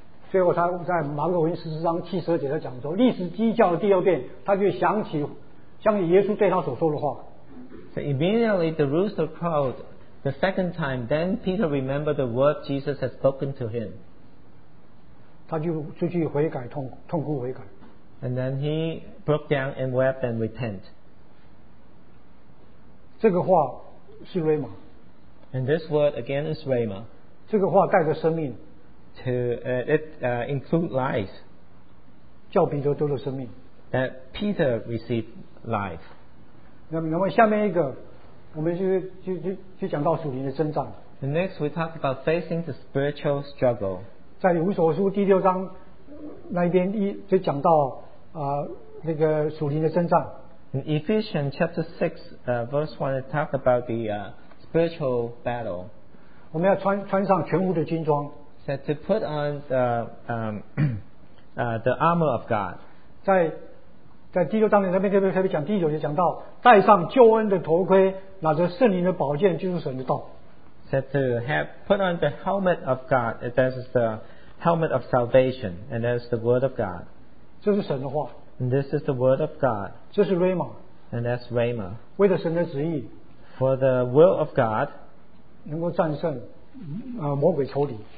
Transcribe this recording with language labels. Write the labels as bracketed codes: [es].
[zh] 最后他在马可福音14:72他讲说，历史讥笑的第二遍，他就想起耶稣对他所说的话。 [en] So immediately the rooster crowed the second time, then Peter remembered the word Jesus had spoken to him. [zh] 他就出去悔改，痛哭悔改。 [en] And then he broke down and wept and repent. [zh] 这个话是瑞玛。 [en] And this word again is rhema. [zh] 这个话带着生命。 [en] Include life. [zh] 叫彼得得了生命。 [en] That Peter received life. [zh] 那么下面一个，我们就讲到属灵的征战。 [en] The next we talk about facing the spiritual struggle. [zh] 在以弗所书第六章那边就讲到那个属灵的征战。 [en] In Ephesians chapter 6, verse 1, it talks about the spiritual battle. [zh] 我们要穿上全副的军装。 [en] Said to put on the armor of God. [zh] 在第六章里那边特别讲第一节讲到戴上救恩的头盔，拿着圣灵的宝剑，就是神的道。 [en] Said to have put on the helmet of God. That is the helmet of salvation, and that is the word of God. [zh] 这是神的话。 [en] And this is the word of God. [zh] 这是rhema。 [en] And that's rhema. [zh] 为了神的旨意。 [en] For the will of God. [zh] 能够战胜魔鬼仇敌。